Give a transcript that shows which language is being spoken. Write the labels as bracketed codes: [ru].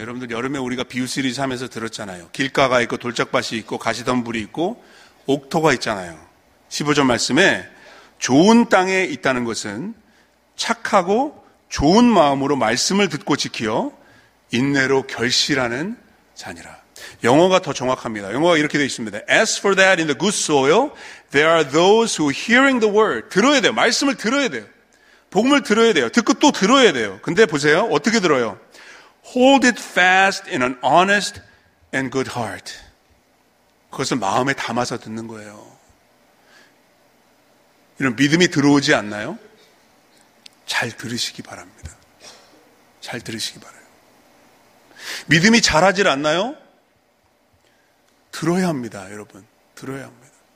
[ko] 여러분들 여름에 우리가 비유 시리즈 하면서 들었잖아요. 길가가 있고 돌짝밭이 있고 가시덤불이 있고 옥토가 있잖아요. 15절 말씀에 좋은 땅에 있다는 것은 착하고 좋은 마음으로 말씀을 듣고 지키어 인내로 결실하는 자니라. 영어가 더 정확합니다. 영어가 이렇게 되어 있습니다. [en] As for that in the good soil, there are those who hearing the word. [ko] 들어야 돼요. 말씀을 들어야 돼요. 복음을 들어야 돼요. 듣고 또 들어야 돼요. 근데 보세요. 어떻게 들어요? [en] Hold it fast in an honest and good heart. [ko] 그것을 마음에 담아서 듣는 거예요. 이런 믿음이 들어오지 않나요? 잘 들으시기 바랍니다. 잘 들으시기 바라요. 믿음이 자라질 않나요? 들어야 합니다, 여러분. 들어야 합니다.